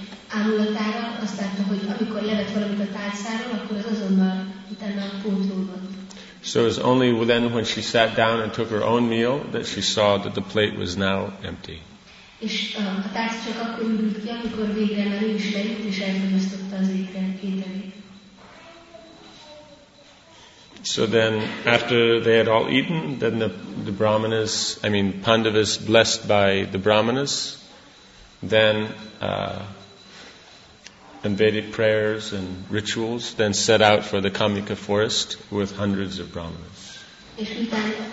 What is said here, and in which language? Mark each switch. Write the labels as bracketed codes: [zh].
[hu] Ámulatára azt látta, hogy amikor levet valamit a tárcáról, akkor az azonnal utána pótlódott. [en] So it was only then when she sat down and took her own meal that she saw that the plate was now empty. [hu] És a tárca csak akkor indult ki, amikor végre már ő is lejött és elfogyasztotta az ételét. [en] So then, after they had all eaten, then the Pandavas blessed by the Brahmanas, then and Vedic prayers and rituals, then set out for the Kamika forest with hundreds of Brahmanas.